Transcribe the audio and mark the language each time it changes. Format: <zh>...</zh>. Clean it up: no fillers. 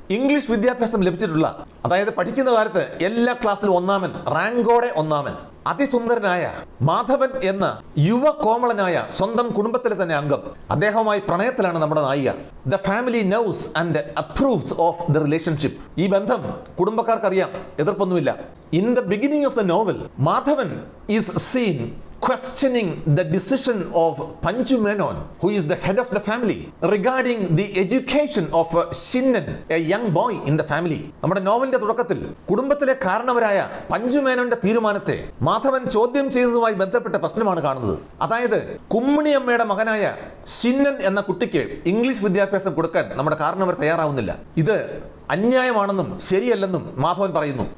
<ml>English വിദ്യാഭ്യാസം ലഭിച്ചിട്ടുള്ള, അതായത് പഠിക്കുന്ന കാലത്ത് എല്ലാ ക്ലാസ്സിലും ഒന്നാമൻ, റാങ്കോടെ ഒന്നാമൻ, അതിസുന്ദരനായ മാധവൻ എന്ന യുവ കോമളനായ സ്വന്തം കുടുംബത്തിലെ തന്നെ അംഗം. അദ്ദേഹവുമായി പ്രണയത്തിലാണ് നമ്മുടെ നായിക.</ml> <en>The family knows and approves of the relationship.</en> <ml>ഈ ബന്ധം കുടുംബക്കാർക്കറിയാം, എതിർപ്പൊന്നുമില്ല.</ml> <en>In the beginning of the novel Madhavan is seen questioning the decision of Chandumenon, who is the head of the family, regarding the education of Shinnan, a young boy in the family.</en> <ml>നമ്മുടെ നോവലിന്റെ തുടക്കത്തിൽ കുടുംബത്തിലെ കാരണവരായ പഞ്ചുമേനോന്റെ തീരുമാനത്തെ മാധവൻ ചോദ്യം ചെയ്തതുമായി ബന്ധപ്പെട്ട പ്രശ്നമാണ് കാണുന്നത്. അതായത് കുമ്മിണിയമ്മയുടെ മകനായ ശിന്നൻ എന്ന കുട്ടിക്ക് ഇംഗ്ലീഷ് വിദ്യാഭ്യാസം കൊടുക്കാൻ നമ്മുടെ കാരണവർ തയ്യാറാവുന്നില്ല. ഇത് അന്യായമാണെന്നും ശരിയല്ലെന്നും മാധവൻ പറയുന്നു.</ml>